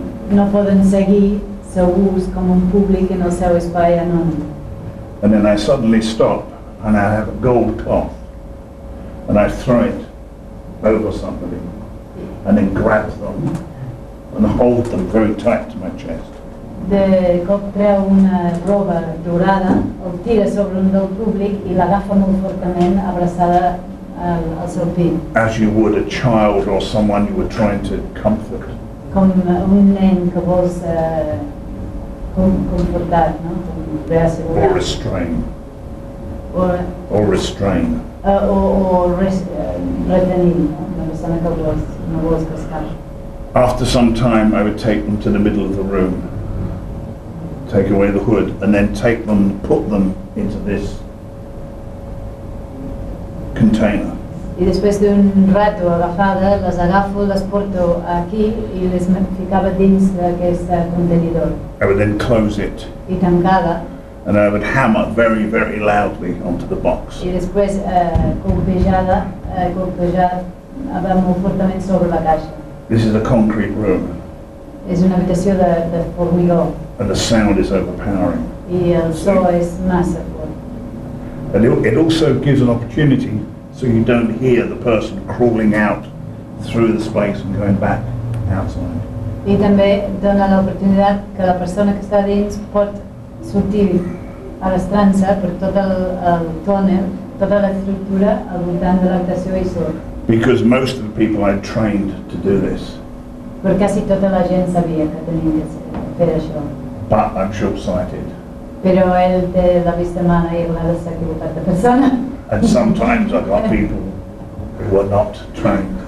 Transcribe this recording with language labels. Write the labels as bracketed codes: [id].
[ca] No poden seguir segurs com un públic en el seu espai anònim. [en] And then I suddenly stop and I have a gold cloth and I throw it over somebody and then grab them and hold them very tight to my chest. [ca] De cop treu una roba dorada, el tira sobre un del públic i l'agafa molt fortament abraçada al seu pit. [en] As you would a child or someone you were trying to comfort. [ca] Com un nen que vols confortar, no? [en] Or restrain. Or restrain. [ca] Retenir, una persona que vols, no vols que escapi. [en] After some time, I would take them to the middle of the room, take away the hood, and then take them, put them into this container. [es] Y después de un rato [ca] agafada, las agafo, las porto aquí y les ficaba dins d'aquest contenidor. [en] I would then close it. [ca] Y tancada. [en] And I would hammer very, very loudly onto the box. [es] Y después golpejada muy fortemente sobre la caixa. [en] This is a concrete room. [ca] És una habitació de formigó. [en] And the sound is overpowering. [ca] I el so és massa fort. [en] And it also gives an opportunity so you don't hear the person crawling out through the space and going back outside. [ca] I també dona l'oportunitat que la persona que està dins pot sortir arrastrant-se per tot el túnel, tota l'estructura al voltant de l'habitació i surt. [en] Because most of the people I trained to do this. [ca] Perquè quasi tota la gent sabia que tenia que fer això. [en] But I'm short-sighted. [ca] Però ell té la vista mala i a vegades s'ha equivocat de persona. [en] And sometimes I've got people who are not trained.